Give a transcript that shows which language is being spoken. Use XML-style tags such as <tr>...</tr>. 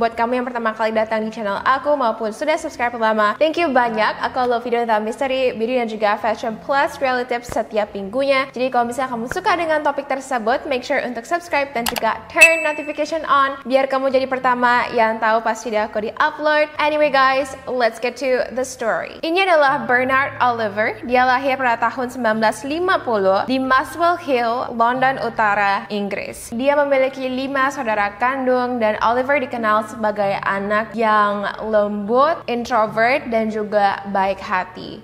<id>Buat kamu yang pertama kali datang di channel aku maupun sudah subscribe lama,</id> <en>thank you</en> <id>banyak. Aku</id> <en>love</en> <id>video tentang misteri, video dan juga</id> <en>fashion plus reality tips</en> <id>setiap minggunya. Jadi kalau misalnya kamu suka dengan topik tersebut,</id> <en>make sure</en> <id>untuk subscribe dan juga</id> <en>turn notification on</en> <id>biar kamu jadi pertama yang tahu pas video aku di upload.</id> <en>Anyway guys, let's get to the story.</en> <id>Ini adalah Bernard Oliver. Dia lahir pada tahun 1950 di Muswell Hill, London Utara, Inggris. Dia memiliki 5 saudara kandung dan Oliver dikenal sebagai anak yang lembut, introvert dan juga baik hati.</id>